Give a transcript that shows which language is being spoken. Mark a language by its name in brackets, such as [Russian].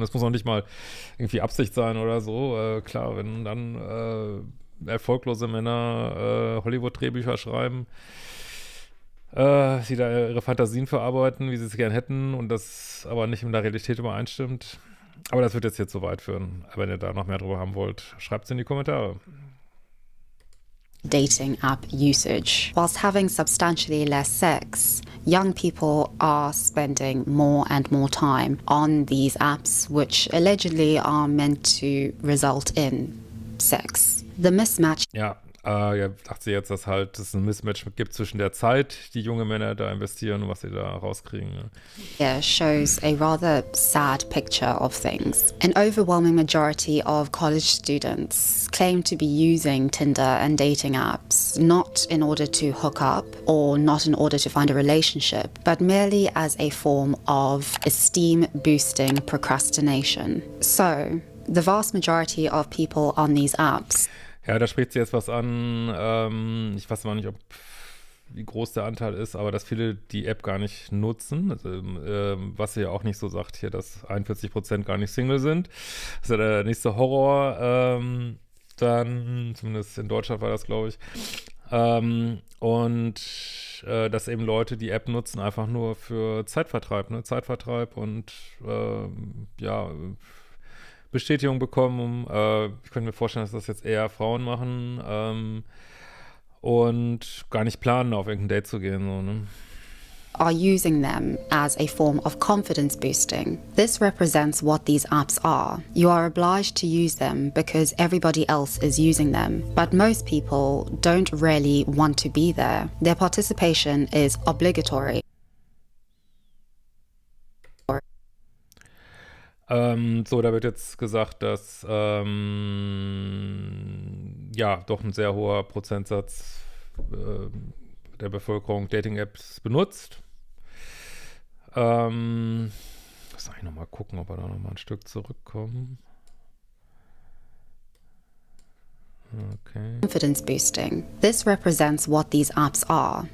[German] Das muss auch nicht mal irgendwie Absicht sein oder so. Klar, wenn dann erfolglose Männer Hollywood-Drehbücher schreiben, die da ihre Fantasien verarbeiten, wie sie es gern hätten und das aber nicht mit der Realität übereinstimmt. Aber das wird jetzt hier zu weit führen. Aber wenn ihr da noch mehr drüber haben wollt, schreibt es in die Kommentare. [English] Dating app usage. Whilst having substantially less sex, young people are spending more and more time on these apps, which allegedly are meant to result in sex. The mismatch. [German] Ja, ja, dachte sie jetzt, dass halt es ein Mismatch gibt zwischen der Zeit, die junge Männer da investieren und was sie da rauskriegen. [English] Here shows a rather sad picture of things. An overwhelming majority of college students claim to be using Tinder and dating apps not in order to hook up or not in order to find a relationship, but merely as a form of esteem-boosting procrastination. So, the vast majority of people on these apps. [German] Ja, da spricht sie jetzt was an. Ich weiß noch nicht, ob wie groß der Anteil ist, aber dass viele die App gar nicht nutzen. Also, was sie ja auch nicht so sagt hier, dass 41% gar nicht Single sind. Das ist ja der nächste Horror. Dann, zumindest in Deutschland war das, glaube ich. Dass eben Leute die App nutzen, einfach nur für Zeitvertreib, ne? Zeitvertreib und ja. Bestätigung bekommen. Ich könnte mir vorstellen, dass das jetzt eher Frauen machen und gar nicht planen, auf irgendein Date zu gehen. So, ne? [English] Are using them as a form of confidence boosting. This represents what these apps are. You are obliged to use them because everybody else is using them. But most people don't really want to be there. Their participation is obligatory. [German] So, da wird jetzt gesagt, dass ja doch ein sehr hoher Prozentsatz der Bevölkerung Dating-Apps benutzt. Muss eigentlich nochmal gucken, ob wir da nochmal ein Stück zurückkommen. Okay. [English] Confidence boosting. This represents what these apps are.